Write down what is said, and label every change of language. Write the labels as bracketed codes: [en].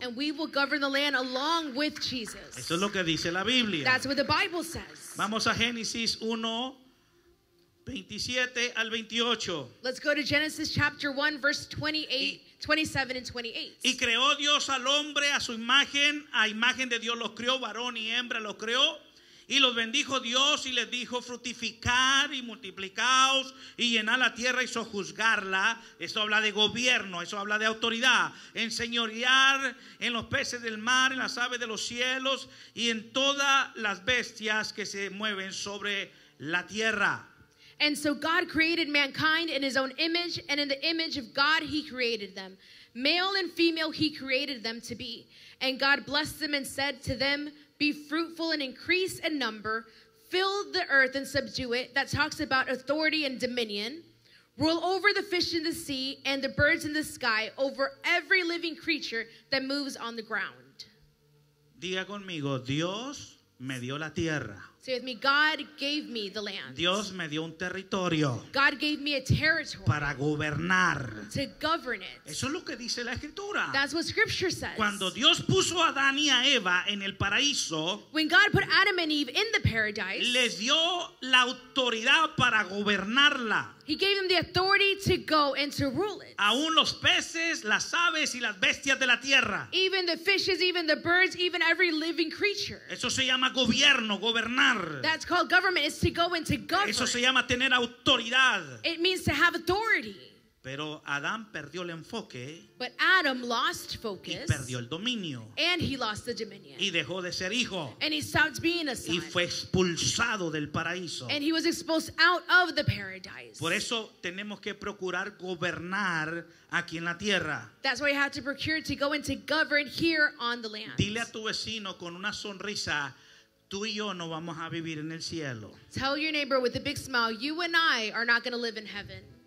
[en] And we will govern the land along with Jesus. [es] Eso es lo que dice la Biblia. [en] That's what the Bible says. [es] Vamos a Génesis 1, 27 al 28. [en] Let's go to Genesis chapter 1, verse 27 and 28. [es] Y creó Dios al hombre a imagen de Dios los creó, varón y hembra los creó. Y los bendijo Dios y les dijo, fructificar y multiplicaos y llenar la tierra y sojuzgarla. Eso habla de gobierno, eso habla de autoridad. Enseñorear en los peces del mar, en las aves de los cielos y en todas las bestias que se mueven sobre la tierra. [en] And so God created mankind in his own image, and in the image of God he created them. Male and female he created them to be. And God blessed them and said to them, be fruitful and increase in number, fill the earth and subdue it. That talks about authority and dominion. Rule over the fish in the sea and the birds in the sky, over every living creature that moves on the ground. [es] Diga conmigo, Dios me dio la tierra. [en] Say with me, God gave me the land. [es] Dios me dio un territorio. [en] God gave me a territory. [es] Para gobernar. [en] To govern it. [es] Eso es lo que dice la Escritura. [en] That's what Scripture says. [es] Cuando Dios puso a Adán y a Eva en el paraíso. [en] When God put Adam and Eve in the paradise. [es] Les dio la autoridad para gobernarla. [en] He gave them the authority to go and to rule it. [es] Aún los peces, las aves y las bestias de la tierra. [en] Even the fishes, even the birds, even every living creature. [es] Eso se llama gobierno, gobernar. [en] That's called government, is to go and to govern. [es] Eso se llama tener autoridad. [en] It means to have authority. [es] Pero Adán perdió el enfoque. [en] But Adam lost focus. [es] Y perdió el dominio. [en] And he lost the dominion. [es] Y dejó de ser hijo. [en] And he stopped being a son. [es] Y fue expulsado del paraíso. [en] And he was expulsed out of the paradise. [es] Por eso tenemos que procurar gobernar aquí en la tierra. [en] That's why you have to procure to go and to govern here on the land. [es] Dile a tu vecino con una sonrisa, tú y yo no vamos a vivir en el cielo. [en] Tell your neighbor with a big smile, you and I are not going to live in heaven.